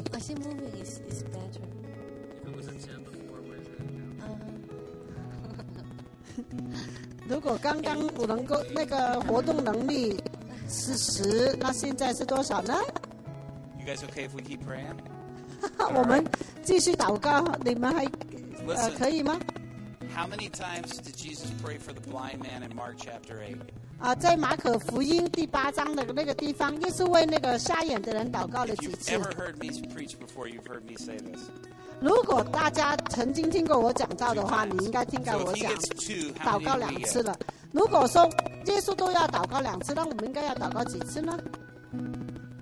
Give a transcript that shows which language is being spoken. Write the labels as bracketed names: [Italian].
[English] Yeah, I think moving is better. Uh-huh. [Chinese] 如果刚刚我能够那个活动能力是十，那现在是多少呢 [English] ？You guys okay if we keep praying? [Chinese] 我们继续祷告，你们还可以吗 [English] ？How many times did Jesus pray for the blind man in Mark chapter 8？ [Chinese] 在马可福音第八章的那个地方，耶稣为那个瞎眼的人祷告了几次 [English] ？You've ever heard me preach before? You've heard me say this. [Chinese] 如果大家曾经听过我讲到的话，你应该听到我讲祷告两次了。如果说耶稣都要祷告两次，那我们应该要祷告几次呢？